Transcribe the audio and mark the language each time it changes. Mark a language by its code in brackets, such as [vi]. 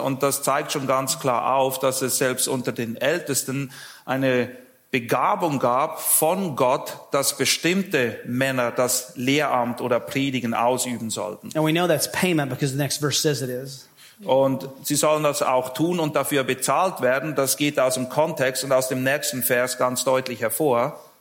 [de] Und das zeigt schon ganz klar auf, dass es selbst unter den Ältesten eine Begabung gab von Gott, dass bestimmte Männer das Lehramt oder Predigen ausüben sollten. [en] And we know that's payment because the next verse says it is. [de] Und sie sollen das auch tun und dafür bezahlt werden. Das geht aus dem Kontext und aus dem nächsten Vers ganz deutlich hervor.